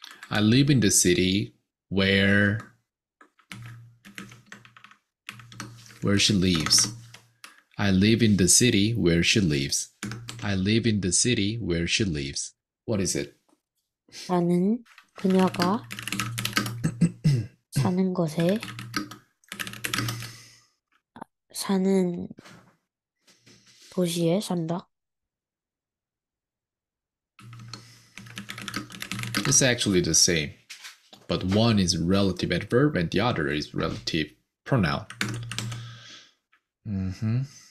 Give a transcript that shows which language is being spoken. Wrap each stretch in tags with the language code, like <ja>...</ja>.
<en>I live in the city where she lives. I live in the city where she lives. I live in the city where she lives. What is it?</en> <ko>나는 그녀가 사는 곳에 사는 도시에 산다.</ko> <en>It's actually the same, but one is relative adverb and the other is relative pronoun. Mm-hmm.</en>